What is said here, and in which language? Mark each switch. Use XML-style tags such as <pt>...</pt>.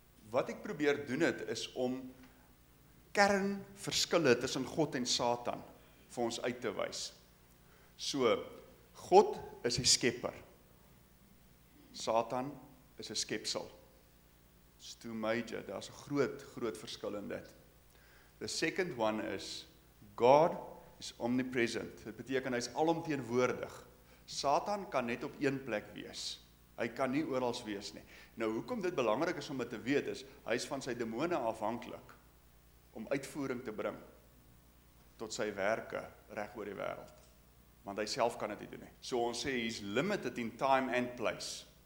<af>Wat ek probeer doen het, is om kernverskille tussen God en Satan vir ons uit te wys. So, God is die skepper. Satan is 'n skepsel.</af> <en>It's too major.</en> <af>Daar's 'n groot, groot verskil in dit.</af> <en>The second one is God is omnipresent.</en> <af>Dit beteken hy is alomteenwoordig. Satan kan net op een plek wees. Hy kan nie oral wees nie. Nou hoekom dit belangrik is om dit te weet is hy is van sy demone afhanklik om uitvoering te bring tot sy werke reg oor die wêreld. Want hy self kan dit nie doen nie. So ons sê</af> <en>he's limited in time and place.</en>